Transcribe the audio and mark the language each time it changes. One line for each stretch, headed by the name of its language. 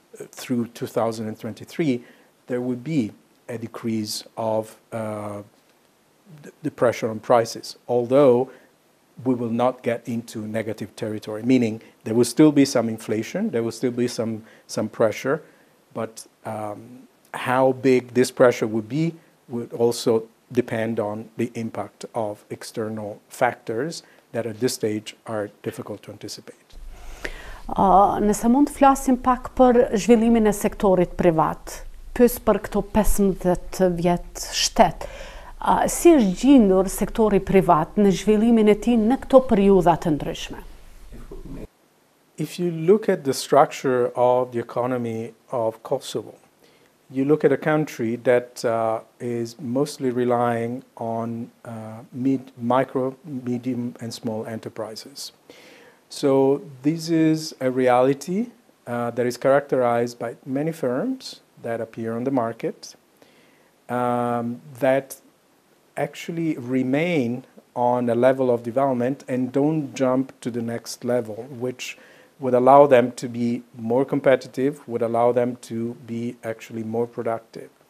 English: through 2023, there would be a decrease of the pressure on prices, although we will not get into negative territory, meaning there will still be some inflation, there will still be some pressure, but how big this pressure would be would also depend on the impact of external factors that at this stage are difficult to anticipate.
Albanian: Nëse mund të flasim pak për zhvillimin e sektorit privat, pyes për këto 15 vjet shtet, si është gjendur sektori privat në zhvillimin e tij në këto periudha të ndryshme?
English: If you look at the structure of the economy of Kosovo, you look at a country that is mostly relying on micro, medium and small enterprises. So this is a reality that is characterized by many firms that appear on the market that actually remain on a level of development and don't jump to the next level, which would allow them to be more competitive, would allow them to be actually more productive.